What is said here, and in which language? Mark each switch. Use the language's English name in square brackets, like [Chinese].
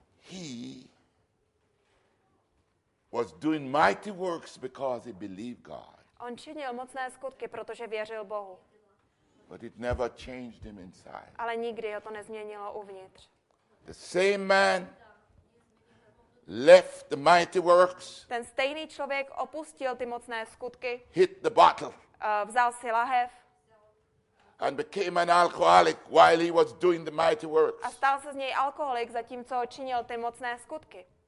[English] He was doing mighty works because he believed God. [Czech] On činil mocné skutky, protože věřil Bohu. [English] But it never changed him inside. [Czech] Ale nikdy ho to nezměnilo uvnitř. [English] The same man left the mighty works. [Czech] Ten stejný člověk opustil ty mocné skutky. [English] Hit the bottle. [Czech] Vzal si lahev. [English] And became an alcoholic while he was doing the mighty works. [Czech] A stal se z něj alkoholik, zatímco činil ty mocné skutky.